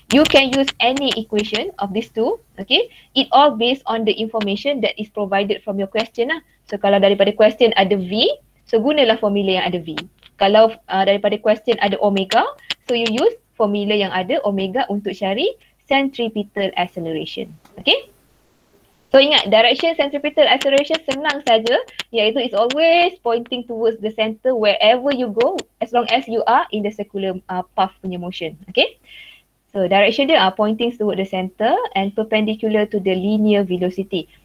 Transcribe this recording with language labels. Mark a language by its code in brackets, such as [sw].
[en] You can use any equation of these two. Okay, it all based on the information that is provided from your question lah. [ms] So kalau daripada question ada V, so gunalah formula yang ada V. Kalau daripada question ada omega, [en] so you use [ms] formula yang ada omega untuk cari [en] centripetal acceleration. Okay? [ms] So ingat, [en] direction centripetal acceleration [ms] senang saja, iaitu [en] it's always pointing towards the center wherever you go as long as you are in the circular path punya motion. Okay? So direction dia pointing towards the center and perpendicular to the linear velocity.